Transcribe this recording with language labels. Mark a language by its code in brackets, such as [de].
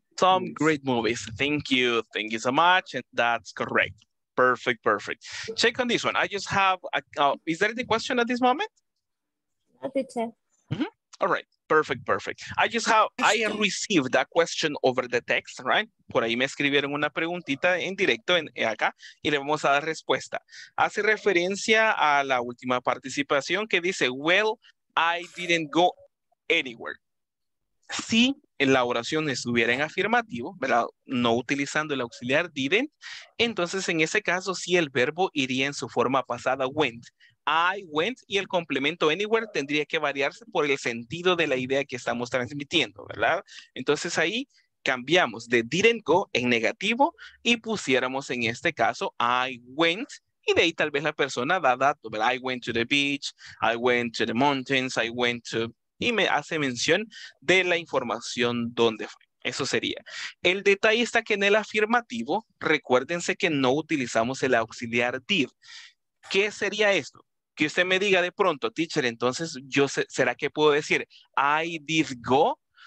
[en] some great movies. Thank you. Thank you so much. And that's correct. Perfect, perfect. Check on this one. I just have, is there any question at this moment? Mm-hmm. All right. Perfect, perfect. I just have, I received that question over the text, right? [es] Por ahí me escribieron una preguntita en directo en acá y le vamos a dar respuesta. Hace referencia a la última participación que dice, well, I didn't go anywhere. Si la oración estuviera en afirmativo, ¿verdad? No utilizando el auxiliar didn't, entonces en ese caso sí el verbo iría en su forma pasada went. I went y el complemento anywhere tendría que variarse por el sentido de la idea que estamos transmitiendo, ¿verdad? Entonces ahí cambiamos de didn't go en negativo y pusiéramos en este caso I went y de ahí tal vez la persona da dato, ¿verdad? [en] I went to the beach, I went to the mountains, I went to... [es] Y me hace mención de la información dónde fue. Eso sería. El detalle está que en el afirmativo, recuérdense que no utilizamos el auxiliar did. ¿Qué sería esto? Que usted me diga de pronto, teacher, entonces, yo sé, ¿será que puedo decir I did go?